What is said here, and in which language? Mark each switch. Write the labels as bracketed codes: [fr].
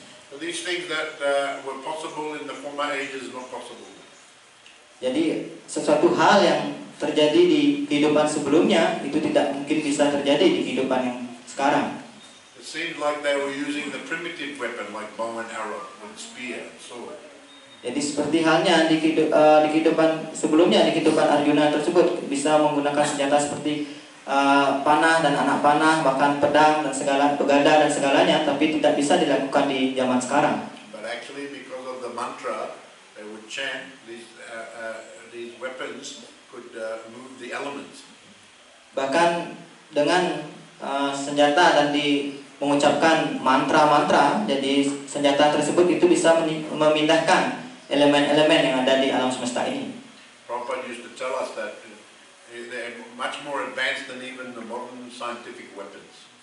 [en] So these things that were possible in the former ages not possible. [id] Jadi sesuatu hal yang terjadi di kehidupan sebelumnya itu tidak mungkin bisa terjadi di kehidupan yang sekarang. [en] It seemed like they were using the primitive weapon like bow and arrow and spear and sword. [id] Jadi seperti halnya di kehidupan sebelumnya, di kehidupan Arjuna tersebut bisa menggunakan senjata seperti panah dan anak panah, bahkan pedang dan segala pegada dan segalanya, tapi tidak bisa dilakukan di zaman sekarang. [en] But actually because of the mantra they would chant these weapons could move the elements. [id] Bahkan dengan senjata dan di mengucapkan mantra-mantra, jadi senjata tersebut itu bisa memindahkan elemen-elemen yang ada di alam semesta ini. [en] Prabhupada used to tell us that they're much more advanced than even the modern scientific weapons.